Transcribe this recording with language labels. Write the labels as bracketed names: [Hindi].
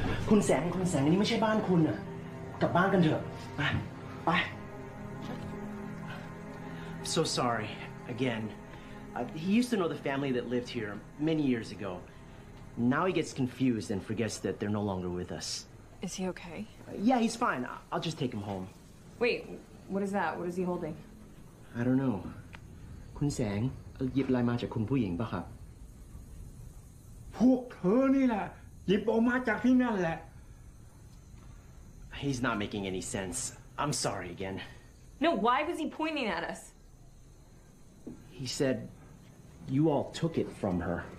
[Thai] คุณแสงนี่ไม่ใช่บ้านคุณนะกลับบ้านกันเถอะไปไป [English] So sorry again he used to know the family that lived here many years ago now he gets confused and forgets that they're no longer with us Is he okay Yeah he's fine I'll just take him home Wait what is that what is he holding I don't know [Thai] คุณแสงหยิบอะไรมาจากคุณผู้หญิงป่ะครับ พวกเธอนี่แหละหยิบออกมาจากที่นั่นแหละ [English] He's not making any sense. I'm sorry again. No, why was he pointing at us? He said you all took it from her.